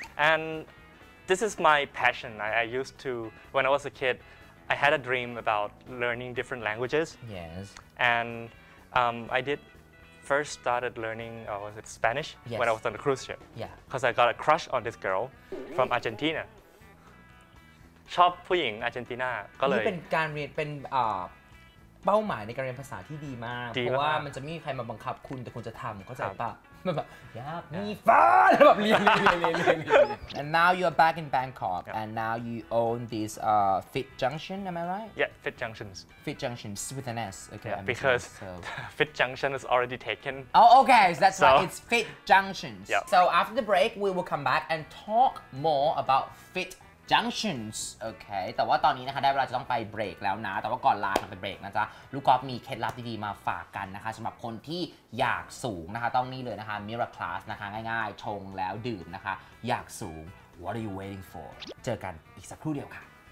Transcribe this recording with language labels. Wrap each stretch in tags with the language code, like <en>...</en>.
<en>And this is my passion. I used to, when I was a kid, I had a dream about learning different languages. Yes. And I did first started learning, was it Spanish? Yes. When I was on a cruise ship. Yeah. Because I got a crush on this girl from Argentina.</en> <th>ชอบผู้หญิงอาร์เจนตินาก็เลย นี่เป็นการเรียนเป็นเป้าหมายในการเรียนภาษาที่ดีมากเพราะว่ ามันจะไม่มีใครมาบังคับคุณแต่คุณจะทำเข้าใจปะแบบอยากมีฟ้าแบบเรียน</th> <en>and now you're back in Bangkok and now you own this Fit Junction am I right yeah Fit Junctions Fit Junctions with an S okay yeah, because Fit Junction is already taken oh okay so that's why it's Fit Junctions so after the break we will come back and talk more about FitJunctions</en> <th>โอเคแต่ว่าตอนนี้นะคะได้เวลาจะต้องไปเบรกแล้วนะแต่ว่าก่อนลากันไปเบรกนะจ๊ะลูกกอล์ฟมีเคล็ดลับดีๆมาฝากกันนะคะสำหรับคนที่อยากสูงนะคะต้องนี่เลยนะคะ Miraclas นะคะง่ายๆชงแล้วดื่มนะคะอยากสูง</th> <en>What are you waiting for</en> <th>เจอกันอีกสักครู่เดียวค่ะ</th>